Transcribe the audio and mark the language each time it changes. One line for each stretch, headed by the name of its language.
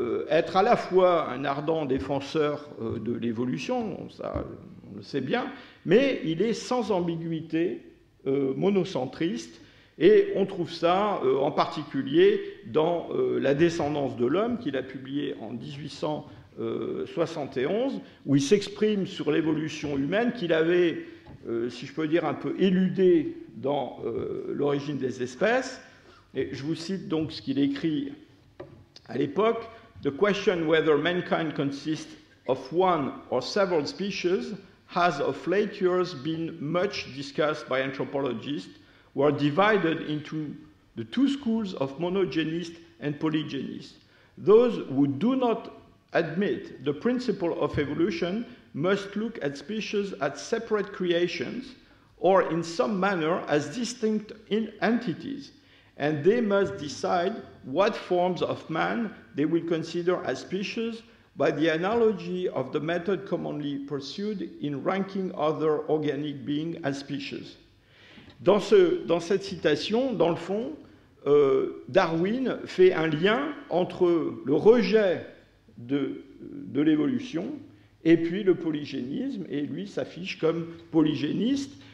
French: être à la fois un ardent défenseur de l'évolution, ça, on le sait bien, mais il est sans ambiguïté monocentriste, et on trouve ça en particulier dans « La descendance de l'homme » qu'il a publié en 1871, où il s'exprime sur l'évolution humaine qu'il avait, si je peux dire, un peu éludé dans l'origine des espèces. Et je vous cite donc ce qu'il écrit à l'époque.
English: « The question whether mankind consists of one or several species has of late years been much discussed by anthropologists who are divided into the two schools of monogenists and polygenists. Those who do not admit the principle of evolution must look at species as separate creations or in some manner as distinct entities, and they must decide what forms of man they will consider as species by the analogy of the method commonly pursued in ranking other organic beings as species. »
French: Dans cette citation, dans le fond, Darwin fait un lien entre le rejet de l'évolution et puis le polygénisme, et lui s'affiche comme polygéniste.